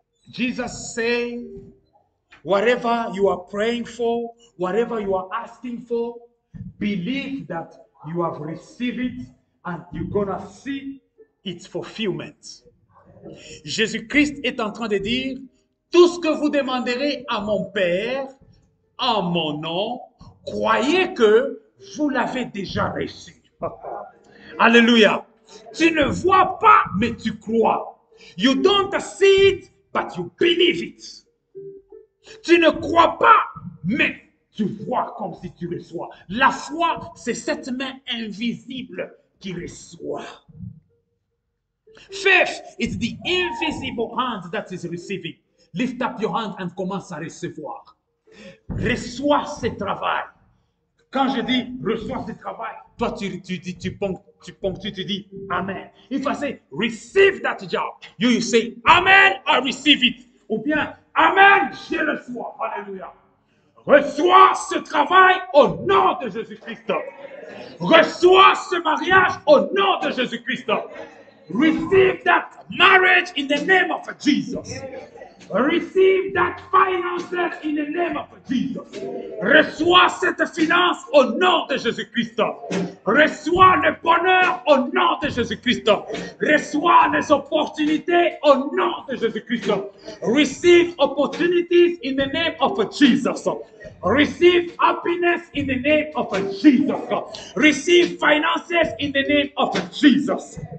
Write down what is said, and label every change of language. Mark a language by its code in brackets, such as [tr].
[en] Jesus saying, whatever you are praying for, whatever you are asking for, believe that you have received it and you're going to see its fulfillment. [fr] Jésus-Christ est en train de dire, tout ce que vous demanderez à mon Père, en mon nom, croyez que vous l'avez déjà reçu. Alléluia. Tu ne vois pas, mais tu crois. [en] You don't see it, but you believe it. [fr] Tu ne crois pas, mais tu vois comme si tu reçois. La foi, c'est cette main invisible qui reçoit. [en] Faith is the invisible hand that is receiving. Lift up your hand and [fr] commence à recevoir. Reçois ce travail. Quand je dis reçois ce travail, toi tu dis amen. [en] If I say receive that job, you say amen, I receive it. [fr] Ou bien amen, je le reçois. Alléluia. Reçois ce travail au nom de Jésus-Christ. Reçois ce mariage au nom de Jésus-Christ. [en] Receive that marriage in the name of Jesus. Receive that finances in the name of Jesus. [fr] Reçois cette finance au nom de Jésus-Christ. Reçois le bonheur au nom de Jésus-Christ. Reçois les opportunités au nom de Jésus-Christ. [en] Receive opportunities in the name of Jesus. Receive happiness in the name of Jesus. Receive finances in the name of Jesus.